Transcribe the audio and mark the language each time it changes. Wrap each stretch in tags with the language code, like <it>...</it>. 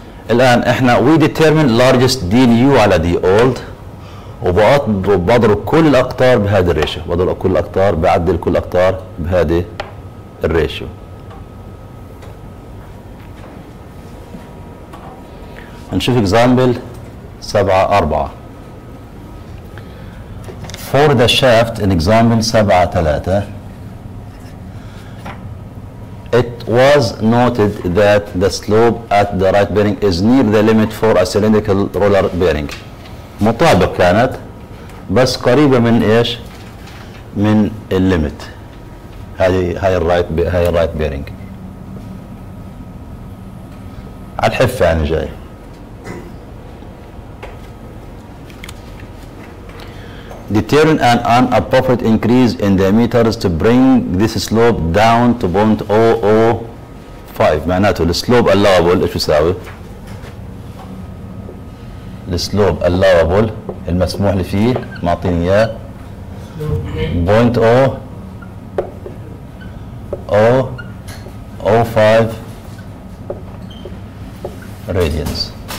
<ar>الآن إحنا</ar> <en>we determine largest d new</en> <ar>على d old وبضرب كل الأقطار بهذه الريشيو، بضرب كل الأقطار، بعدل كل الأقطار بهذه الريشيو. هنشوف example 7-4.</ar> <en>For the shaft in example 7-3 it was noted that the slope at the right bearing is near the limit for a cylindrical roller bearing.</en> <ar>مطابق كانت بس قريبة من ايش؟ من الليمت. هاي الرايت بيرنج. على الحفة يعني جاي.</ar> <en>Determine an appropriate increase in the meters to bring this slope down to 0.005.</en> <ar>معناته السلوب allowable ايش بيساوي؟ السلوب allowable المسموح اللي فيه معطيني اياه 0.005 radians.</ar>